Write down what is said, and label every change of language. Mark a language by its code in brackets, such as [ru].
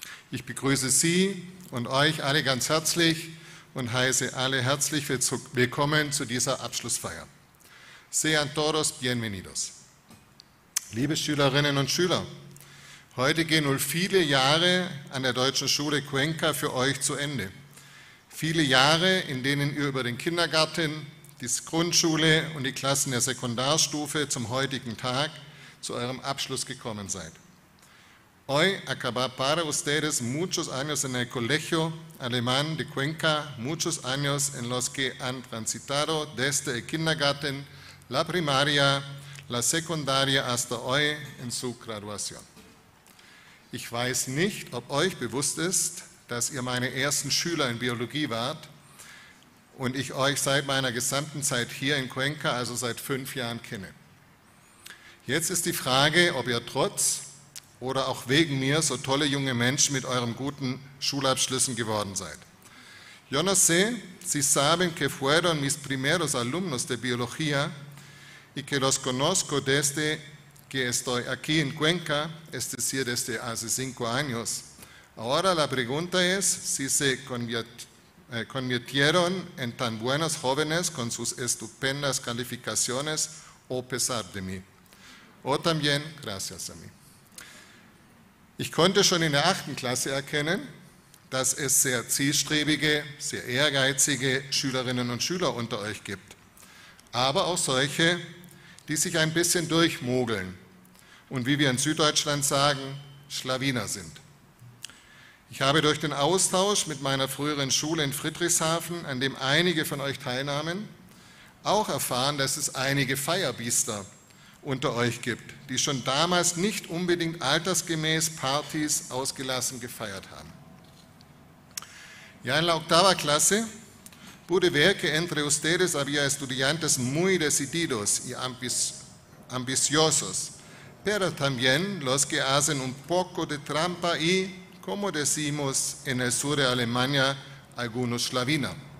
[de] Ich begrüße Sie und euch alle ganz herzlich und heiße alle herzlich willkommen zu dieser Abschlussfeier. [es] Sean todos bienvenidos. [de] Liebe Schülerinnen und Schüler, heute gehen nun viele Jahre an der Deutschen Schule Cuenca für euch zu Ende. Viele Jahre, in denen ihr über den Kindergarten, die Grundschule und die Klassen der Sekundarstufe zum heutigen Tag zu eurem Abschluss gekommen seid. [es] Hoy acaba para ustedes muchos años en el colegio alemán de Cuenca, muchos años en los que han transitado desde el kindergarten, la primaria, la secundaria hasta hoy en su graduación. [de] Ich weiß nicht, ob euch bewusst ist, dass ihr meine ersten Schüler in Biologie wart und ich euch seit meiner gesamten Zeit hier in Cuenca, also seit 5 Jahren, kenne. Jetzt ist die Frage, ob ihr trotz oder auch wegen mir so tolle junge Menschen mit euren guten Schulabschlüssen geworden seid. [es] Yo no sé si saben que fueron mis primeros alumnos de biología y que los conozco desde que estoy aquí en Cuenca, es decir, desde hace 5 años. Ahora la pregunta es si se convirtieron en tan buenos jóvenes con sus estupendas calificaciones o pesar de mí. O también gracias a mí. [de] Ich konnte schon in der 8. Klasse erkennen, dass es sehr zielstrebige, sehr ehrgeizige Schülerinnen und Schüler unter euch gibt. Aber auch solche, die sich ein bisschen durchmogeln und wie wir in Süddeutschland sagen, Schlawiner sind. Ich habe durch den Austausch mit meiner früheren Schule in Friedrichshafen, an dem einige von euch teilnahmen, auch erfahren, dass es einige Feierbiester unter euch gibt, die schon damals nicht unbedingt altersgemäß Partys ausgelassen gefeiert haben. [es] Ya en la octava clase, pude ver que entre ustedes había estudiantes muy decididos y ambiciosos, pero también los que hacen un poco de trampa y, como decimos en el sur de Alemania, algunos Schlawiner.